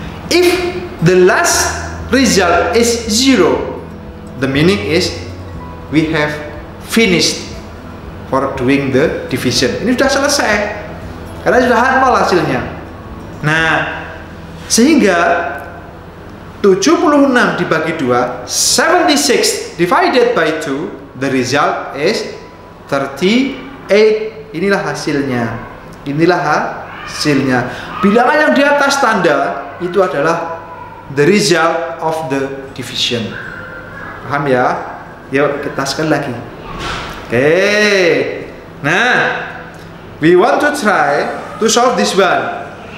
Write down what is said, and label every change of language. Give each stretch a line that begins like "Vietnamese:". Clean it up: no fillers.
English: If the last result is 0, the meaning is we have finished for doing the division.
Indonesian: Ini sudah selesai. Karena sudah hafal hasilnya. Nah, sehingga 76 dibagi 2,
English: 76 divided by 2, the result is 38.
Indonesian: Inilah hasilnya. Inilah hasilnya. Bilangan yang di atas tanda itu adalah
English: the result of the division.
Indonesian: Paham ya? Yuk, kita sekali lagi. Oke. Okay.
English: Nah, we want to try to solve this one.